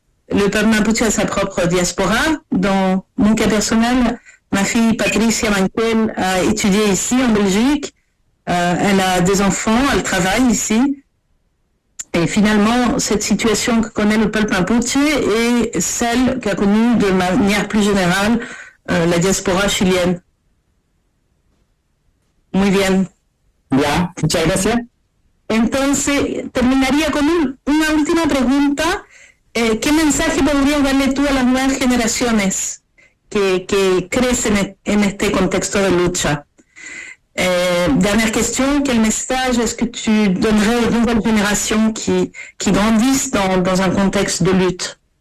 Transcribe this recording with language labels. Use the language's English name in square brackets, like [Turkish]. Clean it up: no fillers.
[French] Le peuple Mapuche a sa propre diaspora. Dans mon cas personnel, ma fille Patricia Manquel a étudié ici en Belgique. Elle a des enfants, elle travaille ici. Et finalement, cette situation que connaît le peuple mapuche est celle qu'a connue de manière plus générale la diaspora chilienne. [Spanish] Muy bien. Ya, muchas gracias. Entonces, terminaría con una última pregunta. ¿Qué mensaje podrías darle tú a las nuevas generaciones que crecen en este contexto de lucha? [French] Dernière question, quel message est-ce que tu donnerais aux nouvelles générations qui grandissent dans un contexte de lutte?